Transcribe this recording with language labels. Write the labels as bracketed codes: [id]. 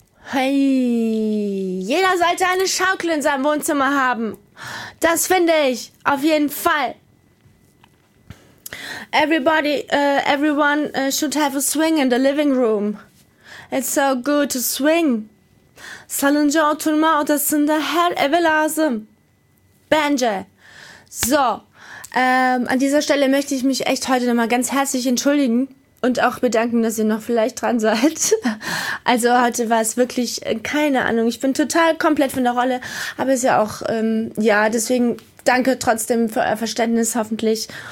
[de] Hey, jeder sollte eine Schaukel in seinem Wohnzimmer haben. Das finde ich auf jeden Fall. [en] Everybody, everyone should have a swing in the living room. It's so good to swing. [tr] Salınca oturma odasında her eve lazım. Bence. [de] So, an dieser Stelle möchte ich mich echt heute nochmal ganz herzlich entschuldigen. Und auch bedanken, dass ihr noch vielleicht dran seid. Also heute war es wirklich, keine Ahnung, ich bin total komplett von der Rolle. Aber es ist ja auch, ja, deswegen danke trotzdem für euer Verständnis hoffentlich.